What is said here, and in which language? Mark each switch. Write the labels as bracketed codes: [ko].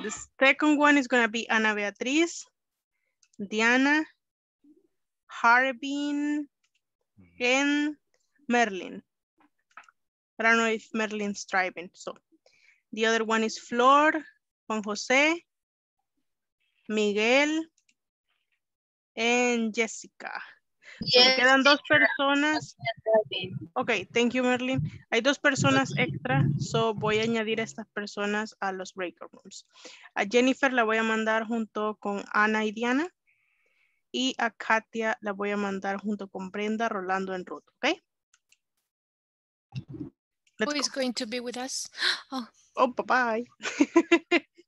[en] The second one is going to be Ana Beatriz, Diana, Harbin, and Merlin. I don't know if Merlin's driving. So the other one is Flor, Juan Jose, Miguel, and Jessica. Yes. [es] Quedan dos personas. [en] Ok, thank you, Merlin. [es] Hay dos personas extra, so voy a añadir a estas personas a los breakout rooms. A Jennifer la voy a mandar junto con Ana y Diana. Y a Katia la voy a mandar junto con Brenda, Rolando en Ruth. [en] Ok. Let's Who is go. Going to be with us? Oh, bye bye.